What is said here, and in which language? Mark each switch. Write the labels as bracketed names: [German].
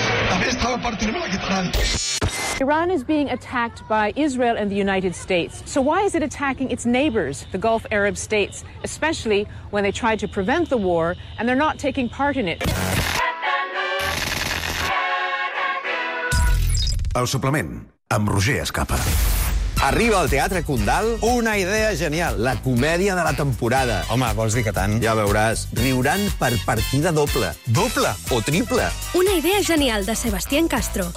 [Spanish] También estaba partiendo la guitarra. [English] Iran is being attacked by Israel and the United States. So why is it attacking its neighbors, the Gulf Arab states, especially when they tried to prevent the war and they're not taking part in it? [Catalan] El suplement amb Roger Escapa. Arriba al Teatre Condal una idea genial. La comèdia de la temporada. Home, vols dir que tant? Ja veuràs. Riuran per partida doble. Doble? O triple. Una idea genial de Sebastián Castro.